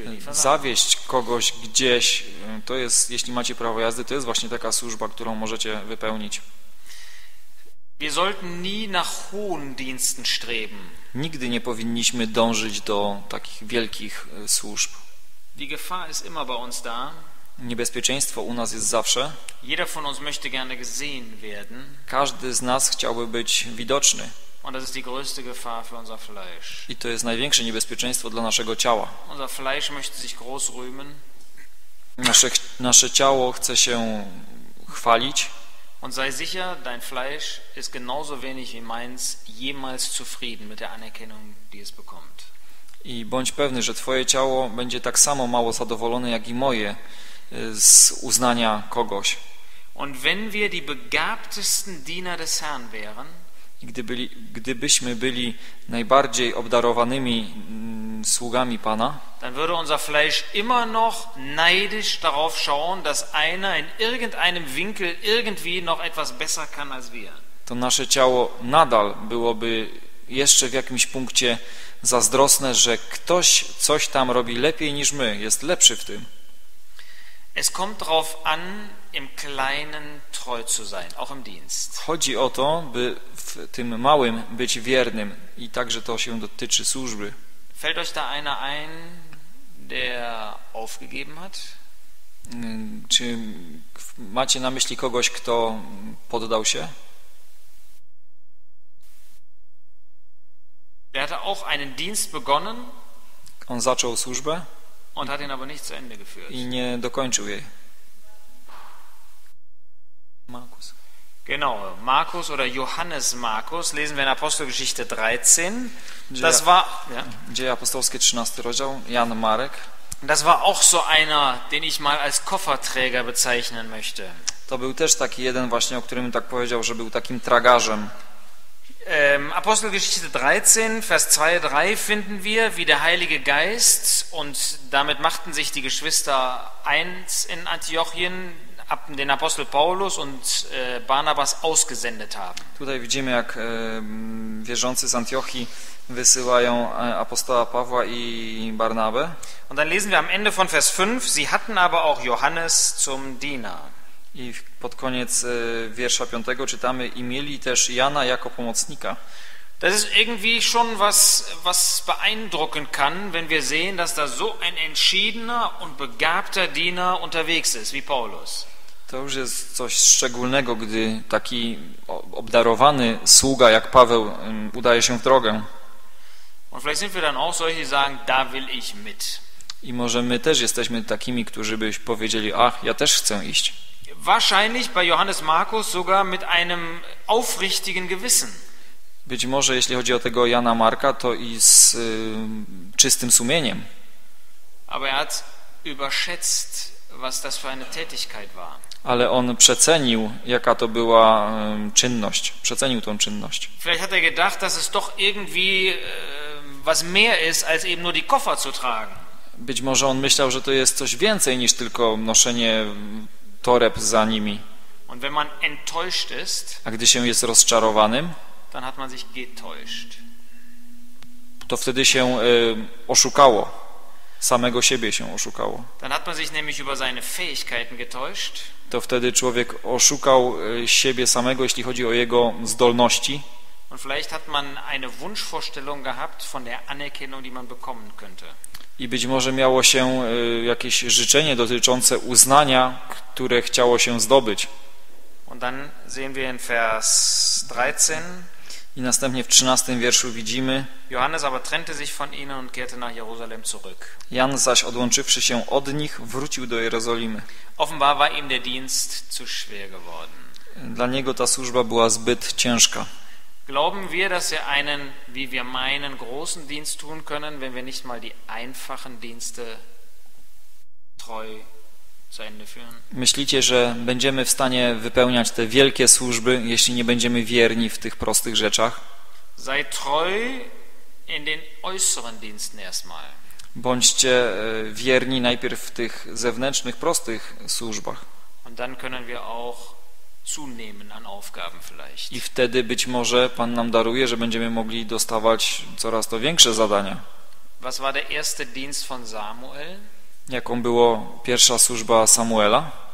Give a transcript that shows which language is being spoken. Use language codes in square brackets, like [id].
[pl] zawieźć kogoś gdzieś, to jest, jeśli macie prawo jazdy, to jest właśnie taka służba, którą możecie wypełnić. [de] Wir sollten nie nach hohen Diensten streben. [pl] Nigdy nie powinniśmy dążyć do takich wielkich służb. [de] Die Gefahr ist immer bei uns da. [pl] Niebezpieczeństwo u nas jest zawsze. [de] Jeder von uns möchte gerne gesehen werden. [pl] Każdy z nas chciałby być widoczny. [de] Und das ist die größte Gefahr für unser Fleisch. [pl] I to jest największe niebezpieczeństwo dla naszego ciała. [de] Unser Fleisch möchte sich groß rühmen. [pl] Nasze ciało chce się chwalić. [de] Und sei sicher, dein Fleisch ist genauso wenig wie meins jemals zufrieden mit der Anerkennung, die es bekommt. [pl] I bądź pewny, że twoje ciało będzie tak samo mało zadowolone jak i moje z uznania kogoś. [de] Und wenn wir die begabtesten Diener des Herrn wären, [pl] gdybyśmy byli najbardziej obdarowanymi sługami Pana, [de] dann würde unser Fleisch immer noch neidisch darauf schauen, dass einer in irgendeinem Winkel irgendwie noch etwas besser kann als wir. [pl] To nasze ciało nadal byłoby jeszcze w jakimś punkcie zazdrosne, że ktoś coś tam robi lepiej niż my, jest lepszy w tym. [de] Es kommt drauf an, im Kleinen treu zu sein, auch im Dienst. [pl] Chodzi o to, by w tym małym być wiernym, i także to się dotyczy służby. [de] Fällt euch da einer ein, der aufgegeben hat? [pl] Czy macie na myśli kogoś, kto poddał się? [de] Der hatte auch einen Dienst begonnen. [pl] On zaczął służbę. [de] Und hat ihn aber nicht zu Ende geführt. [pl] I nie dokończył jej. [de] Markus. Genau, Markus oder Johannes Markus, lesen wir in Apostelgeschichte 13. [pl] Dzieje apostolskie, 13 rozdział, Jan Marek. [de] Das war auch so einer, den ich mal als Kofferträger bezeichnen möchte. [pl] To był też taki jeden właśnie, o którym tak powiedział, że był takim tragarzem. [de] Apostelgeschichte 13, Vers 2-3 finden wir, wie der Heilige Geist, und damit machten sich die Geschwister eins in Antiochien, den Apostel Paulus und Barnabas ausgesendet haben. [pl] Tutaj widzimy, jak wierzący z Antiochii wysyłają apostoła Pawła i Barnabę. [de] Und dann lesen wir am Ende von Vers 5, sie hatten aber auch Johannes zum Diener. [pl] I pod koniec wiersza 5 czytamy, i mieli też Jana jako pomocnika. [de] Das ist irgendwie schon was beeindrucken kann, wenn wir sehen, dass da so ein entschiedener und begabter Diener unterwegs ist, wie Paulus. [pl] To już jest coś szczególnego, gdy taki obdarowany sługa jak Paweł udaje się w drogę. [de] Und vielleicht sind wir dann auch solche, die sagen, da will ich mit. [pl] I może my też jesteśmy takimi, którzy byś powiedzieli, ach, ja też chcę iść. [de] Wahrscheinlich bei Johannes Markus sogar mit einem aufrichtigen Gewissen. [pl] Być może, jeśli chodzi o tego Jana Marka, to i z czystym sumieniem. [de] Aber er hat überschätzt, was das für eine Tätigkeit war. [pl] Ale on przecenił, jaka to była czynność. Przecenił tą czynność. [de] Vielleicht hat er gedacht, dass es doch irgendwie was mehr ist, als eben nur die Koffer zu tragen. [pl] Być może on myślał, że to jest coś więcej niż tylko noszenie toreb za nimi. [de] Und wenn man enttäuscht ist, [pl] a gdy się jest rozczarowanym, [de] dann hat man sich getäuscht. [pl] To wtedy się oszukało. Samego siebie się oszukało. [de] Dann hat man sich nämlich über seine Fähigkeiten getäuscht. [pl] To wtedy człowiek oszukał siebie samego, jeśli chodzi o jego zdolności. [de] Und vielleicht hat man eine Wunschvorstellung gehabt von der Anerkennung, die man bekommen könnte. [pl] I być może miało się jakieś życzenie dotyczące uznania, które chciało się zdobyć. [de] Und dann sehen wir in Vers 13. [pl] I następnie w 13 wierszu widzimy: [de] Johannes aber trennte sich von ihnen und kehrte nach Jerusalem zurück. [pl] Jan zaś, odłączywszy się od nich, wrócił do Jerozolimy. [de] Offenbar war ihm der Dienst zu schwer geworden. [pl] Dla niego ta służba była zbyt ciężka. [de] Glauben wir, dass wir einen, wie wir meinen, großen Dienst tun können, wenn wir nicht mal die einfachen Dienste treu zu Ende führen? [pl] Myślicie, że będziemy w stanie wypełniać te wielkie służby, jeśli nie będziemy wierni w tych prostych rzeczach? [de] Sei treu in den äußeren Diensten erstmal. [pl] Bądźcie wierni najpierw w tych zewnętrznych, prostych służbach. [de] Und dann können wir auch zunehmen an Aufgaben vielleicht. [pl] I wtedy być może Pan nam daruje, że będziemy mogli dostawać coraz to większe zadania. [de] Was war der erste Dienst von Samuel? [pl] Jaką była pierwsza służba Samuela?